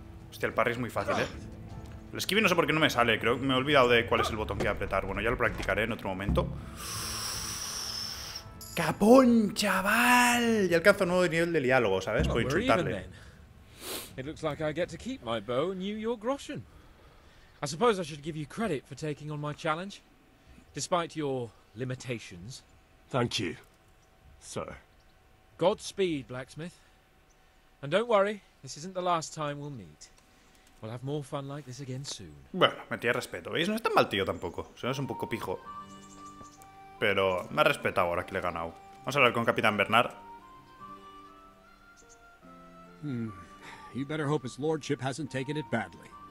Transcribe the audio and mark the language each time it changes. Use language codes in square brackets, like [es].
[es] Hostia, el parry es muy fácil, El esquive no sé por qué no me sale, creo que me he olvidado de cuál es el botón que voy a apretar. Bueno, ya lo practicaré en otro momento. ¡Capón, chaval! Y alcanzo un nuevo nivel de diálogo, ¿sabes? Por insultarle. [en] It looks like I get to keep my bow and you your groschen. I suppose I should give you credit for taking on my challenge, despite your limitations. Thank you, sir. Godspeed, blacksmith. And don't worry, this isn't the last time we'll meet. We'll have more fun like this again soon. [es] Bueno, me tiene respeto, ¿veis? No es tan mal tío tampoco. Se nos es un poco pijo. Pero me ha respetado ahora que le he ganado. Vamos a hablar con Capitán Bernard. [en] You better hope his lordship hasn't taken it badly.